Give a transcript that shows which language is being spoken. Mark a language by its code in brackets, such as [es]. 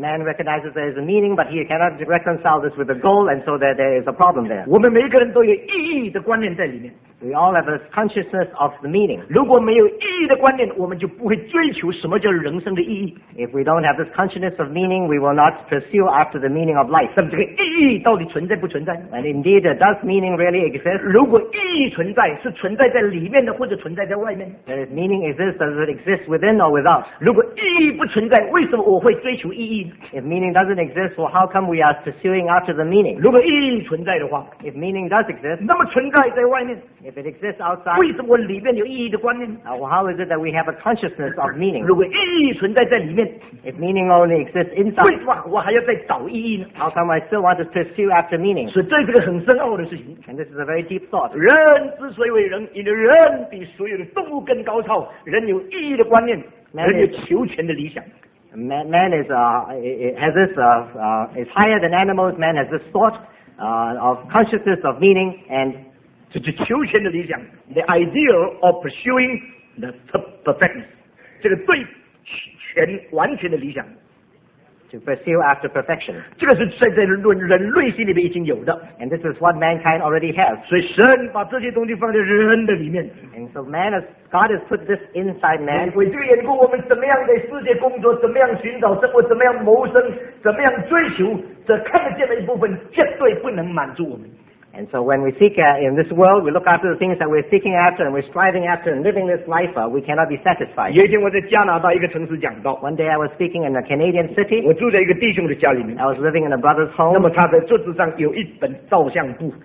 [en] man recognizes there is a meaning, but he cannot reconcile this with a goal, and so there is a problem there. [zh] 我们每一个人都有意义的观念在里面。 [en] We all have a consciousness of the meaning. [zh] 如果没有意义的观念，我们就不会追求什么叫人生的意义。 [en] If we don't have this consciousness of meaning, we will not pursue after the meaning of life. [zh] 那么这个意义到底存在不存在？ [en] And indeed, does meaning really exist? [zh] 如果意义存在， 是存在在里面的或者存在在外面？ [en] And if meaning exists, does it exist within or without? [zh] 如果意义不存在， 为什么我会追求意义？ [en] If meaning doesn't exist, well, how come we are pursuing after the meaning? [zh] 如果意义存在的话， [en] If meaning does exist, [zh] 那么存在在外面， [en] If it exists outside, [zh] 为什么里面有意义的观念? [en] Well, how is it that we have a consciousness of meaning? [zh] 如果意义存在在里面， [en] If meaning only exists inside, [zh] 为什么我还要再找意义呢？ [en] How come I still want to pursue after meaning? [zh] 所以这个是很深奥的事情。 [en] And this is a very deep thought. [zh] 人之所以为人， 因为人比所有的动物更高超， 人有意义的观念， [en] Man [zh] 人有求全的理想。 [en] Man is, has this, is higher than animals. Man has this thought of consciousness of meaning and to the [zh] 求全的理想, [en] the idea of pursuing the perfectness. [zh] 这个对全完全的理想, [en] to pursue after perfection. [zh] 这个是在人类心里面已经有的, [en] and this is what mankind already has. [zh] 所以神把这些东西放在人的里面, [en] and so man has, God has put this inside man. [zh] 为这个缘故我们怎么样在世界工作, 怎么样寻找生活, 怎么样谋生, 怎么样追求, 这看得见的一部分, 绝对不能满足我们。 [en] And so when we seek in this world, we look after the things that we're seeking after and we're striving after and living this life, we cannot be satisfied. [zh] 有一天我在加拿大一个城市讲道, [en] one day I was speaking in a Canadian city. [zh] 我住在一个弟兄的家里面, [en] I was living in a brother's home. [zh] 那么他在桌子上有一本照相簿,